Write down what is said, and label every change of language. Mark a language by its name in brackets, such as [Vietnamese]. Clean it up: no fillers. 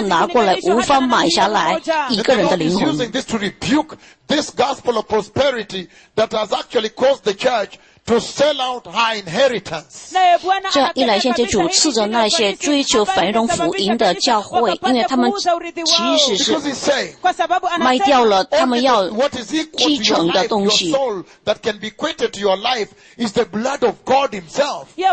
[Chinese] 现在全球的所有的世界，芬兰的、中国的那些发展国家的、发展中国家的所有的中心银行的所有的财富，都拿过来无法买下来一个人的灵魂。 [English] This to rebuke this gospel of prosperity that has actually caused the church to sell out her inheritance. [Chinese] 这一来，现在主斥责那些追求繁荣福音的教会，因为他们其实是卖掉了他们要继承的东西。 [English] That can be equated to your life is the blood of God Himself.